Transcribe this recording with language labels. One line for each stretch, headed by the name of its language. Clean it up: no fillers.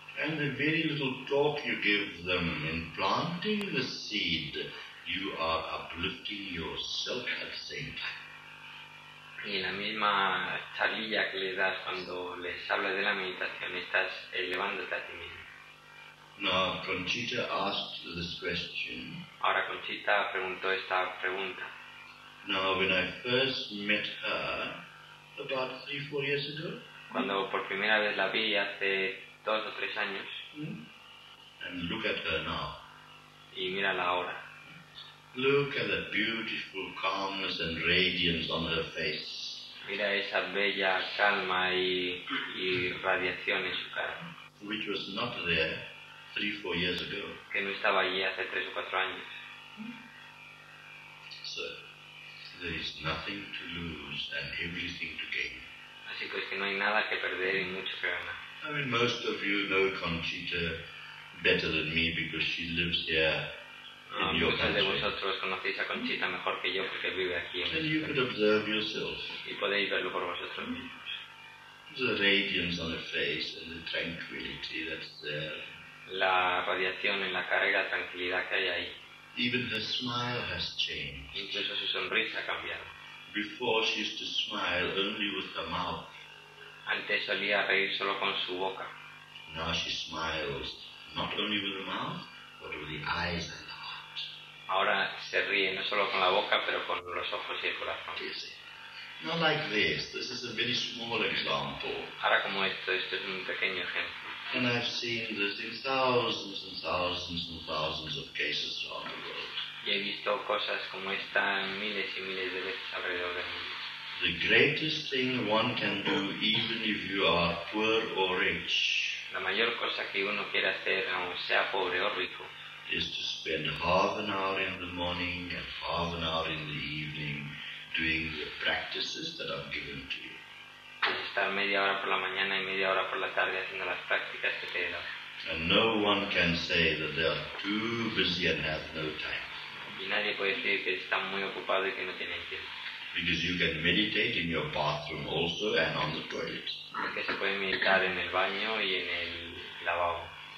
English: And the very little talk you give them in planting the seed, you are uplifting yourself at the same time.
Spanish: Y en la misma charlilla que les das cuando les hablas de la meditación, estás elevándote a ti mismo.
English: Now, Conchita asked this question.
Spanish: Ahora Conchita preguntó esta pregunta.
English: Now, when I first met her, about 3-4 years ago.
Spanish: Cuando por primera vez la vi hace 2 o 3 años.
English: And look at her now.
Spanish: Y mírala ahora.
English: Look at the beautiful calmness and radiance on her face.
Spanish: Mira esa bella calma y radiación en su cara.
English: Which was not there 3-4 years ago.
Spanish: Que no estaba allí hace 3 o 4 años.
English: So, there is nothing to lose and everything to gain.
Spanish: Así pues que no hay nada que perder y mucho que ganar.
English: I mean, most of you know Conchita better than me because she lives here in your country.
Spanish: Muchos de vosotros conocéis a Conchita mejor que yo porque vive aquí.
English: And you could observe yourselves.
Spanish: Y podéis verlo por vosotros mismos.
English: The radiance on her face and the tranquility that's there.
Spanish: La radiación en la cara y la tranquilidad que hay ahí.
English: Even her smile has changed.
Spanish: Incluso su sonrisa ha cambiado.
English: Before she used to smile only with her mouth.
Spanish: Antes solía reír solo con su boca.
English: Now she smiles not only with the mouth, but with the eyes and the heart.
Spanish: Ahora se ríe no solo con la boca, pero con los ojos y el corazón.
English: Now like this. This is a very small example.
Spanish: Ahora como esto, esto es un pequeño ejemplo.
English: And I've seen this in thousands and thousands and thousands of cases around the world.
Spanish: Y he visto cosas como esta miles y miles de veces alrededor del mundo.
English: The greatest thing one can do, even if you are poor or rich,
Spanish: la mayor cosa que uno quiere hacer, aun sea pobre o rico,
English: is to spend half an hour in the morning and half an hour in the evening doing the practices that are given to you.
Spanish: Es estar media hora por la mañana y media hora por la tarde haciendo las prácticas que te dan.
English: And no one can say that they are too busy and have no time.
Spanish: Y nadie puede decir que están muy ocupados y que no tienen tiempo.
English: Because you can meditate in your bathroom also and on the toilet.
Spanish: Porque se puede meditar en el baño y en el lavabo.